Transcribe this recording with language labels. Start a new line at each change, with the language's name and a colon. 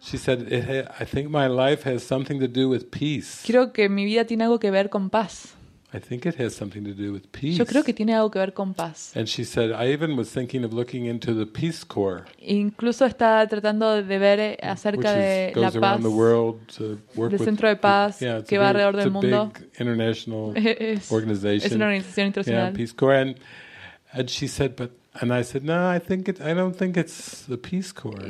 English: She said, "I think my life has something to do with peace."
Spanish: Creo que mi vida tiene algo que ver con paz.
English: I think it has something to do with peace.
Spanish: Yo creo que tiene algo que ver con paz.
English: And she said, "I even was thinking of looking into the Peace Corps."
Spanish: Incluso está tratando de ver acerca de la paz.
English: Which goes around the world to work with.
Spanish: Centro de paz que va alrededor del mundo.
English: It's a big international organization.
Spanish: Es una organización internacional.
English: Yeah, Peace Corps. And she said, "But," and I said, "No, I don't think it's the Peace Corps."